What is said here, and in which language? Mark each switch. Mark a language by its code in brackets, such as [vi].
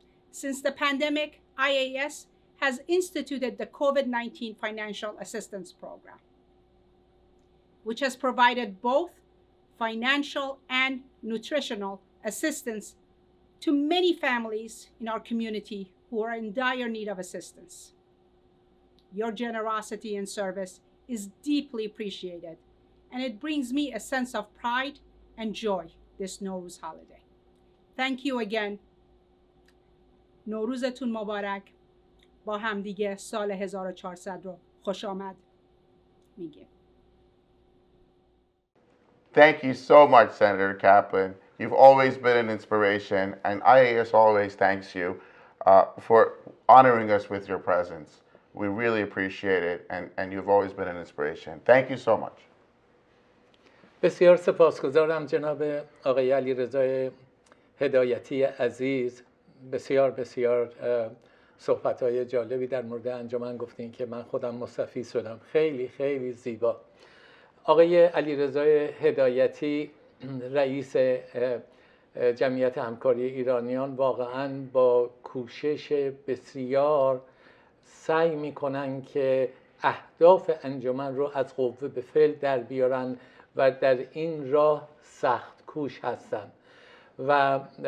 [en] Since the pandemic, IAS has instituted the COVID-19 Financial Assistance Program, which has provided both financial and nutritional assistance to many families in our community who are in dire need of assistance. Your generosity and service is deeply appreciated, and it brings me a sense of pride and joy this Nowruz holiday. Thank you again. [fa] نوروزتون مبارک. با هم دیگه سال 1400 رو خوش آمد میگیم. [en] Thank you so much, Senator Kaplan. You've always been an inspiration, and IAS always thanks you for honoring us with your presence. We really appreciate it, and you've always been an inspiration. Thank you so much. [fa] بسیار سپاسگزارم جناب آقای علی رضای هدایتی عزیز. بسیار بسیار صحبت‌های جالبی در مورد انجمن گفتین که من خودم مستفید شدم. خیلی خیلی زیبا. آقای علیرضای هدایتی رئیس جمعیت همکاری ایرانیان واقعاً با کوشش بسیار سعی می‌کنن که اهداف انجمن رو از قوه به فعل در بیارن و در این راه سخت کوش هستن و